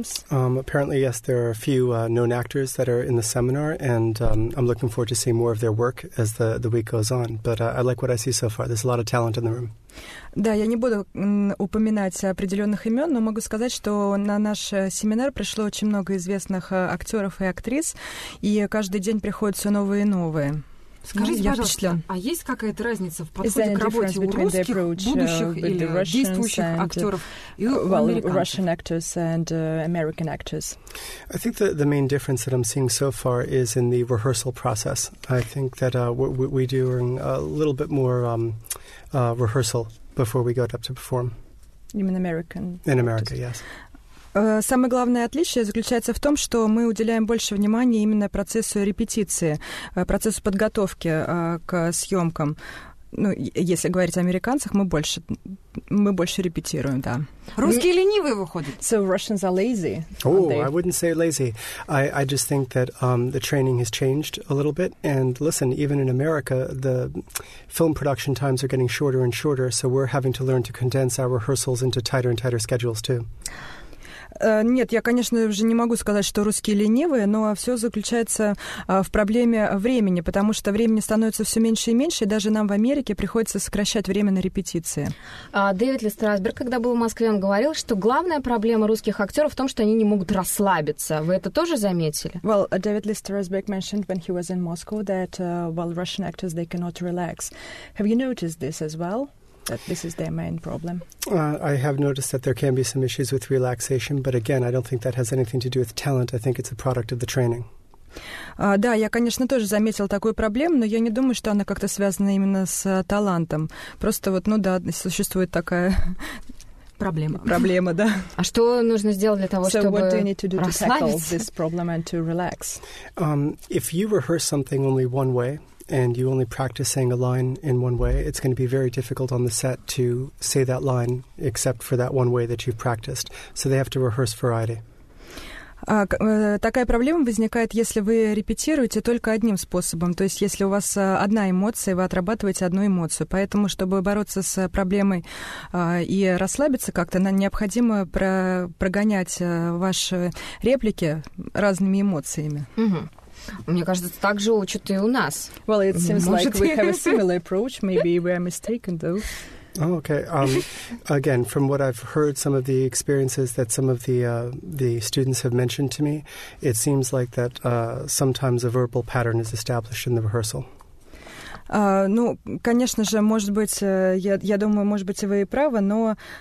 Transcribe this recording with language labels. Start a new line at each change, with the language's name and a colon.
English: Apparently, yes, there are a few known actors that are in the seminar, and I'm looking forward to seeing more of their work as the week goes on. But I like what I see so far. There's a lot of talent in the room.
Russian: Да, я не буду упоминать определенных имен, но могу сказать, что на наш семинар пришло очень много известных актеров и актрис, и каждый день приходят все новые и новые. Скажите, пожалуйста, а есть какая-то разница в подходе к работе у русских, будущих или действующих актеров и
English: Russian actors and American actors? I think the main difference that I'm seeing so far is in the rehearsal process. I think that we do a little bit more rehearsal before we go up to perform. You mean American? In America, yes.
Russian: Самое главное отличие заключается в том, что мы уделяем больше внимания именно процессу репетиции, процессу подготовки к съемкам. Ну, если говорить о американцах, мы больше мы больше репетируем, да. Русские ленивые выходят.
English: So Russians are lazy. Oh, I wouldn't say lazy. I just think that the training has changed a little bit. And listen, even in America, the film production times are getting shorter and shorter, so we're having to learn to condense our rehearsals into tighter and tighter schedules too.
Russian: Нет, я, конечно, уже не могу сказать, что русские ленивые, но все заключается в проблеме времени, потому что времени становится все меньше и меньше, и даже нам в Америке приходится сокращать время на репетиции. Дэвид Ли Страсберг, когда был в Москве, он говорил, что главная проблема русских актеров в том, что они не могут расслабиться. Вы это тоже заметили?
English: Well, David Lee Strasberg mentioned when he was in Moscow that while Russian actors, they cannot relax. Have you noticed this as well? That this is their main problem. I have noticed that there can be some issues with relaxation, but again, I don't think that has anything to do with talent. I think it's a product of the training.
Russian: Да, я, конечно, тоже заметила такую проблему, но я не думаю, что она как-то связана именно с талантом. Просто вот, ну да, существует такая проблема. Проблема, да. А что нужно сделать для того, чтобы расслабиться?
English: So what do you need to do to tackle this problem and to relax? If you rehearse something only one way, and you only practice saying a line in one way, it's going to be very difficult on the set to say that line except for that one way that you've practiced. So they have to rehearse variety.
Russian: Такая проблема возникает, если вы репетируете только одним способом. То есть если у вас одна эмоция, вы отрабатываете одну эмоцию. Поэтому, чтобы бороться с проблемой и расслабиться как-то, нам необходимо прогонять ваши реплики разными эмоциями. Mm-hmm. Мне кажется, так же учат и у нас.
English: Well, it seems like we have a similar approach. Maybe we are mistaken, though. Oh, okay. Again, from what I've heard, some of the experiences that some of the students have mentioned to me, it seems like that sometimes a verbal pattern is established in the rehearsal.
Russian: Ну, конечно же, может быть, я думаю, может быть, вы и правы, но...